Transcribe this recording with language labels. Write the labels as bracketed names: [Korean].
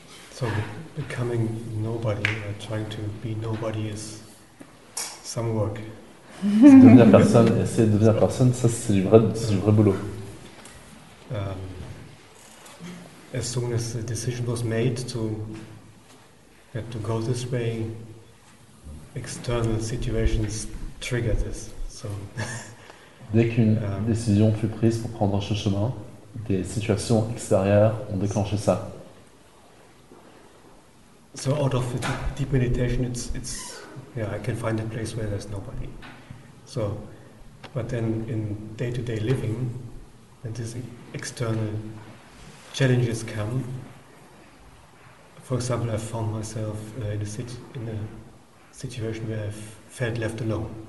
[English] So becoming nobody, or trying to be nobody, is some work. [French] Devenir personne, essayer de devenir personne, ça c'est du vrai boulot. [English] As soon as the decision was made to go this way, external situations trigger this. So [French] dès qu'une décision fut prise pour prendre ce chemin, des situations extérieures ont déclenché ça. [English] So out of the deep meditation, it's yeah, I can find a place where there's nobody. So, but then in day-to-day living, when these external challenges come, for example, I found myself in a situation where I felt left alone.